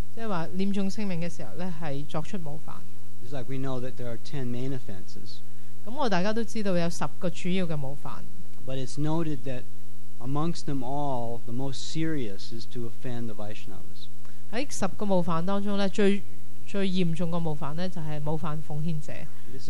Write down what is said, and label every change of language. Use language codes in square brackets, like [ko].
[zh] 即是说念诵圣名的时候是作出冒犯。 [en] It's like we know that there are 10 main offenses. [zh] 我们大家都知道有10个主要的冒犯。 [en] But it's noted that amongst them all, the most serious is to offend the Vaishnavas. [zh] 在10个冒犯当中，最严重的冒犯就是冒犯奉献者。 [en] This